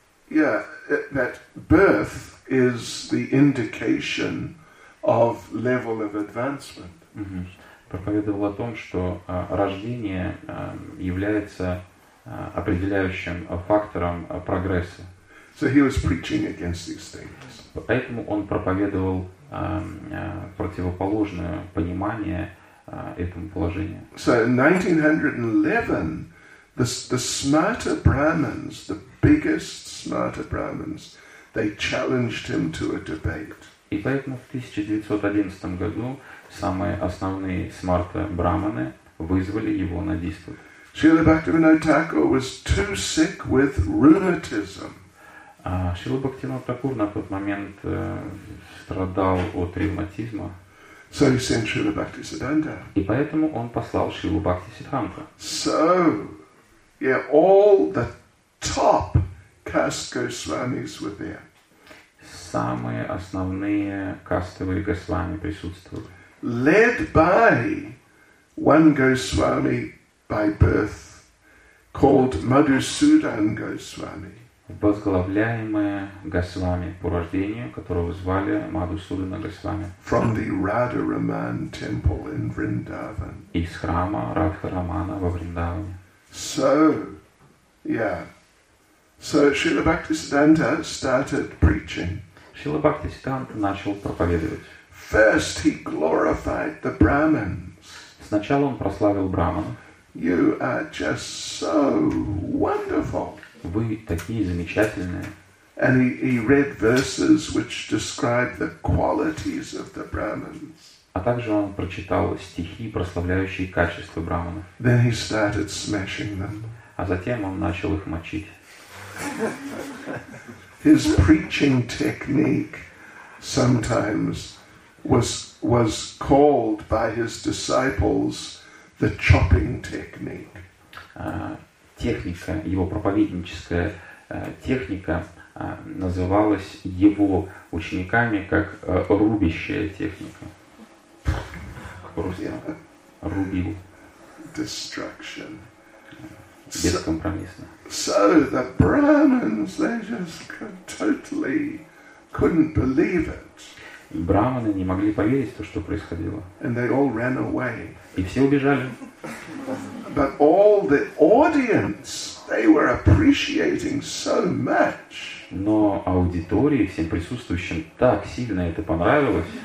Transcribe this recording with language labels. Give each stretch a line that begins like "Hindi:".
English: Yeah, that birth is the indication of level of advancement. Mm-hmm.
Russian: Проповедовал о том, что рождение является определяющим фактором прогресса.
English: So he was preaching against these things.
Russian: Поэтому он проповедовал противоположное понимание этому положению.
English: So in 1911, the smarter Brahmins, the biggest smarter Brahmins, they challenged him to a debate.
Russian: И поэтому в 1911 году самые основные смарта-брахманы вызвали его на диспут.
English: Шрила Бхактивинода Тхакур was too sick with rheumatism.
Russian: Шрила Бхактивинода Тхакур на тот момент страдал от ревматизма.
English: So he sent Шрила Бхактисиддханта.
Russian: И поэтому он послал Шрилу Бхактисиддханту.
English: So, yeah, all the top caste Goswamis were there.
Russian: Самые основные кастовые Госвами присутствовали.
English: Led by one Goswami by birth, called Madhusudan Goswami.
Russian: Возглавляемое Госвами по рождению, которого звали Мадхусудана Госвами.
English: From the Radharaman temple in Vrindavan.
Russian: Из храма Радхарамана во Вриндаване.
English: So, yeah. So Srila Bhaktisiddhanta started preaching.
Russian: Srila Bhaktisiddhanta начал проповедовать.
English: First he glorified the Brahmins.
Russian: Сначала он прославил брахманов.
English: You are just so wonderful.
Russian: Вы такие замечательные.
English: And he read verses which describe the qualities of the Brahmins.
Russian: А также он прочитал стихи, прославляющие качества брахманов.
English: Then he started smashing them.
Russian: А затем он начал их мочить.
English: His preaching technique sometimes was called by his disciples the chopping technique.
Russian: Техника, его проповедническая техника называлась его учениками как рубящая техника. Просто рубил.
English: Destruction.
Russian: Бескомпромиссно.
English: So the Brahmins, they just totally couldn't believe it.
Russian: Брахманы не могли поверить в то, что происходило.
English: And they all ran away.
Russian: И все убежали.
English: But all the audience, they were appreciating so much.
Russian: Но аудитории, всем присутствующим, так сильно это понравилось.